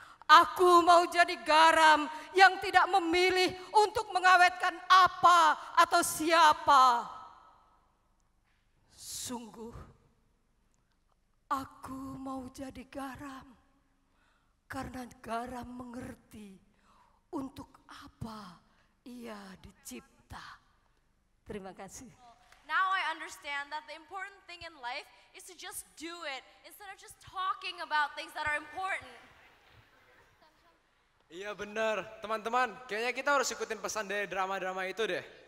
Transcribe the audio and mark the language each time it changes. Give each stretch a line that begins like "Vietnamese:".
Indonesian: Aku mau jadi garam yang tidak memilih untuk mengawetkan apa atau siapa. Sungguh, aku mau jadi garam karena garam mengerti untuk apa ia dicipta. Terima kasih.
English: Now I understand that the important thing in life is to just do it instead of just talking about things that are important.
Indonesian: Iya benar, teman-teman, kayaknya kita harus ikutin pesan dari drama-drama itu deh.